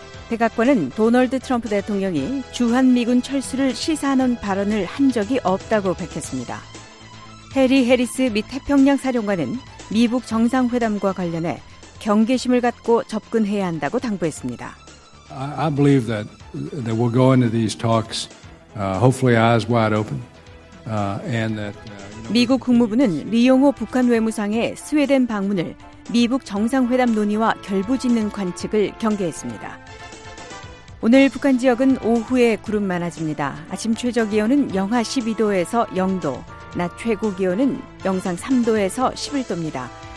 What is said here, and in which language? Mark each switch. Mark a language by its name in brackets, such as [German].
[Korean] 백악관은 도널드 트럼프 대통령이 주한미군 철수를 시사하는 발언을 한 적이 없다고 밝혔습니다. 해리 해리스 미 태평양 사령관은 미북 정상회담과 관련해 경계심을 갖고 접근해야 한다고 당부했습니다. [English] I believe that they will go into these talks hopefully eyes wide open and that [Korean] 미국 국무부는 리용호 북한 외무상의 스웨덴 방문을 미북 정상회담 논의와 결부짓는 관측을 경계했습니다. 오늘 북한 지역은 오후에 구름 많아집니다. 아침 최저 기온은 영하 12도에서 0도, 낮 최고 기온은 영상 3도에서 11도입니다.